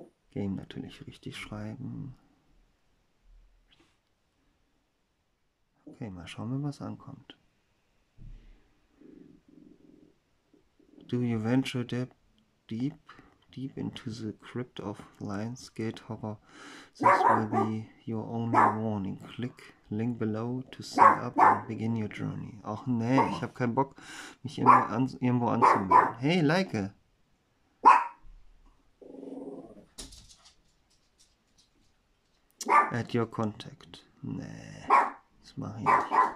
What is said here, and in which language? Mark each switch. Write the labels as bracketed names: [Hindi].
[German] Game natürlich richtig schreiben. Okay, mal schauen wir, was ankommt. [English] Do you venture deep into the crypt of Lionsgate Horror? This will be your only warning. Click link below to sign up and begin your journey. [German] Ach nee, ich habe keinen Bock, mich irgendwo anzumelden. Hey, Leike! [English] Add your contact. [German] Nee, das mache ich nicht.